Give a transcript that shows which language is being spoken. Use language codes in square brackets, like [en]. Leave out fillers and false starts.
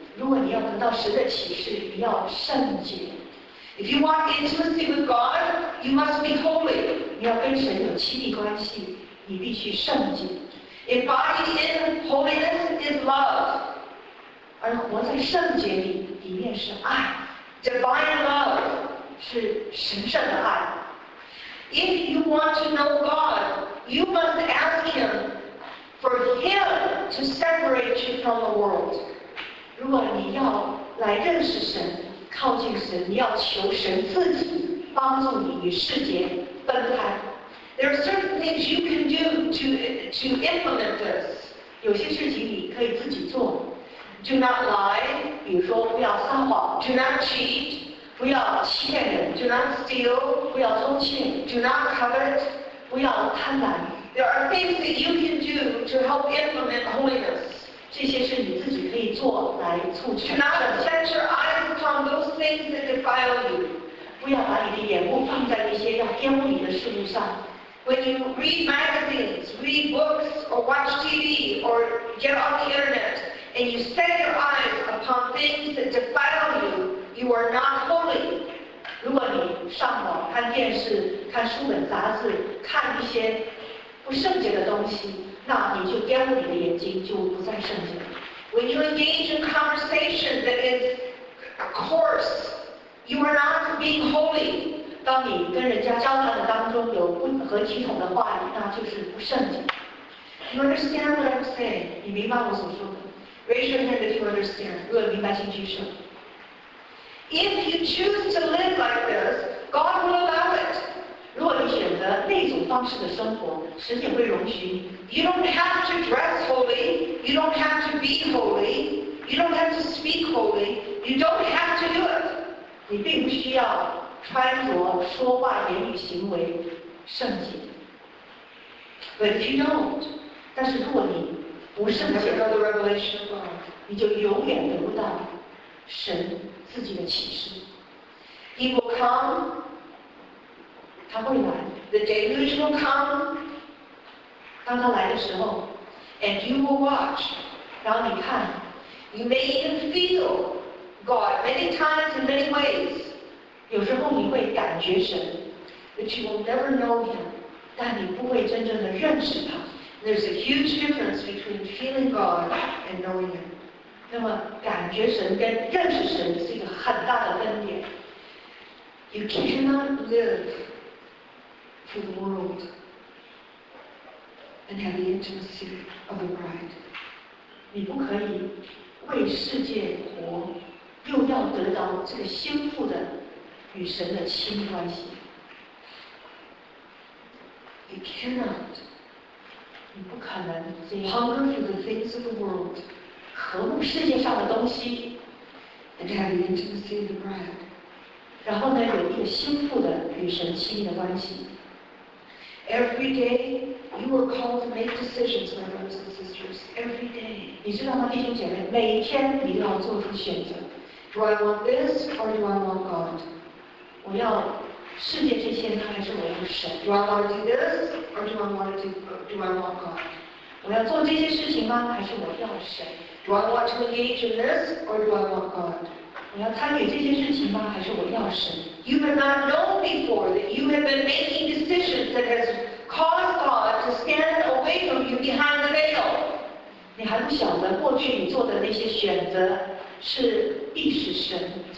[zh] 如果你要得到神的启示，你要圣洁。 [en] If you want intimacy with God, you must be holy. [zh] 你要跟神有亲密关系，你必须圣洁。 [en] Embodied in holiness is love. [zh] 而活在圣洁里，里面是爱。 [en] Divine love [zh] 是神圣的爱。 [en] If you want to know God, you must ask Him for Him to separate you from the world. [zh] 如果你要来认识神。靠近神，你要求神自己帮助你与世界分开。 [en] There are certain things you can do to implement this. [zh] 有些事情你可以自己做。 [en] Do not lie. [zh] 比如说不要撒谎。 [en] Do not cheat. [zh] 不要欺骗人。 [en] Do not steal. [zh] 不要偷窃。 [en] Do not covet. [zh] 不要贪婪。 [en] There are things that you can do to help implement holiness. [zh] 这些是你自己可以做来促成。 [en] Do not set your eyes upon those things that defile you. [zh] 不要把你的眼目放在那些要玷污你的事物上。 [en] When you read magazines, read books, or watch TV, or get on the internet, and you set your eyes upon things that defile you, you are not holy. [zh] 如果你上网看电视、看书本杂志、看一些不圣洁的东西。那你就玷污你的眼睛，就不再圣洁。 [en] When you engage in conversation that is coarse, you are not being holy. [zh] 当你跟人家交谈的当中有不合体统的话语，那就是不圣洁。 [en] You understand what I'm saying? [zh] 你明白我所说的 [en] ？Raise your hand if you understand. [zh] 如果明白，请举手。 [en] If you choose to live like this, God will allow it. [zh] 如果你选择那种方式的生活，神也会容许你。 [en] You don't have to dress holy. You don't have to be holy. You don't have to speak holy. You don't have to do it. [zh] 你并不需要穿着、说话、言语、行为圣洁。 [en] But if you don't, [zh] 但是如果你不圣洁 [en] ，another revelation of God, [zh] 你就永远得不到神自己的启示。 [en] He will come. [zh] 他会来 [en] The deluge will come. [zh] 当他来的时候 [en] And you will watch. [zh] 然后你看 [en] You may even feel God many times in many ways. [zh] 有时候你会感觉神 [en] But you will never know Him. [zh] 但你不会真正的认识他 [en] There's a huge difference between feeling God and knowing Him. [zh] 那么感觉神跟认识神是一个很大的分别 [en] You cannot liveTo the world and have the intimacy of the bride. [zh] 你不可以为世界活，又要得到这个心腹的与神的亲密关系。 [en] You cannot. [zh] 你不可能这样。 [en] Hunger for the things of the world. [zh] 渴慕世界上的东西。 [en] And have the intimacy of the bride. [zh] 然后呢，有一个心腹的与神亲密的关系。 [en] Every day, you are called to make decisions, my brothers and sisters. Every day. [zh] 你知道吗，弟兄姐妹？每一天你都要做出选择。 [en] Do I want this or do I want God? [zh] 我要世界这些，还是我要神 [en] ？Do I want to do this or do I want to do I want God? [zh] 我要做这些事情吗？还是我要神 [en] ？Do I want to engage in this or do I want God? [zh] 我要参与这些事情吗？还是我要神 [en] ？You have not known before that you have been making decisions that has caused God to stand away from you behind the veil. [zh] 你还不晓得过去你做的那些选择是历史神。